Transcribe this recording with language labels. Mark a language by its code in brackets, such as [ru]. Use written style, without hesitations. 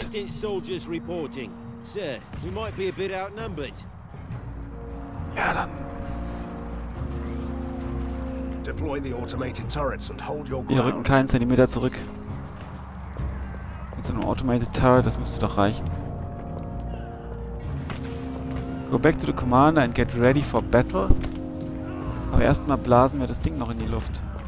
[en] Assistant soldiers reporting. Sir, we might be a bit outnumbered. [de] Ja, dann. [en] Deploy the automated turrets and hold your ground. [de] Wir rücken keinen Zentimeter zurück. Mit so einem automated turret, das müsste doch reichen. [en] Go back to the commander and get ready for battle. [de] Aber erstmal blasen wir das Ding noch in die Luft.